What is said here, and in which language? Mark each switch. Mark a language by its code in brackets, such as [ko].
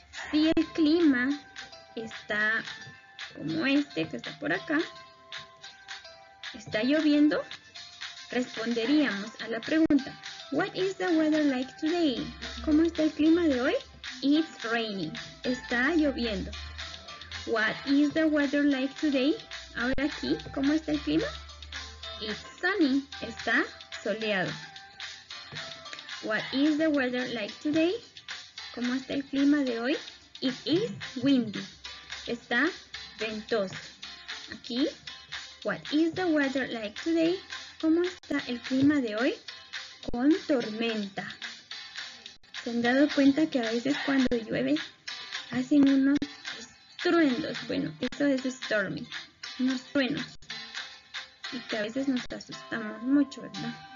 [es] Si el clima está como este, que está por acá, está lloviendo, responderíamos a la pregunta, [en] What is the weather like today? [es] ¿Cómo está el clima de hoy? [en] It's raining. [es] Está lloviendo. [en] What is the weather like today? [es] Ahora aquí, ¿cómo está el clima? [en] It's sunny. [es] Está soleado. [en] What is the weather like today? [es] ¿Cómo está el clima de hoy? [en] It is windy. [es] Está ventoso. [en] Aquí, What is the weather like today? [es] ¿Cómo está el clima de hoy? Con tormenta. ¿Se han dado cuenta que a veces cuando llueve hacen unos truendos? Bueno, eso es stormy. Unos truenos. Y que a veces nos asustamos mucho, ¿verdad?